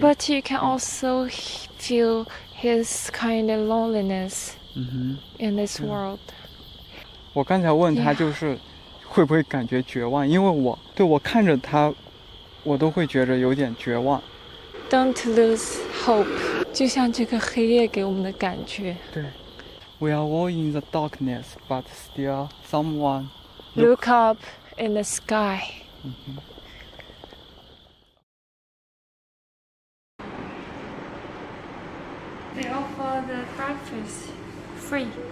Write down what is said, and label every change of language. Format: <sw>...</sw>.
<en>But you can also feel his kind of loneliness、 mm-hmm. in this world.</en> <zh>我刚才问他就是会不会感觉绝望，因为我看着他，我都会觉得有点绝望。</zh> <en>Don't lose hope.</en> <zh>就像这个黑夜给我们的感觉。</zh> <en>对。We are all in the darkness, but still someone look up in the sky. Mm-hmm. They offer the breakfast free.</en>